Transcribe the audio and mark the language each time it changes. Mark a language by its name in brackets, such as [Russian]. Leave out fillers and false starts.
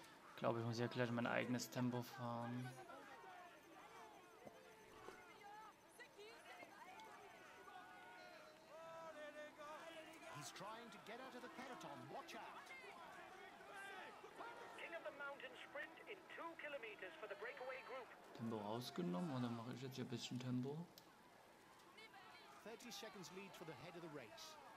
[German] Ich glaube, ich muss ja gleich mein eigenes Tempo fahren. [English] He's trying to get out of the peloton. Watch out. King of the Mountain Sprint in 2 kilometers for the breakaway group. [German] Tempo rausgenommen und dann mache ich jetzt hier ein bisschen Tempo. [English] 30 seconds lead for the head of the race.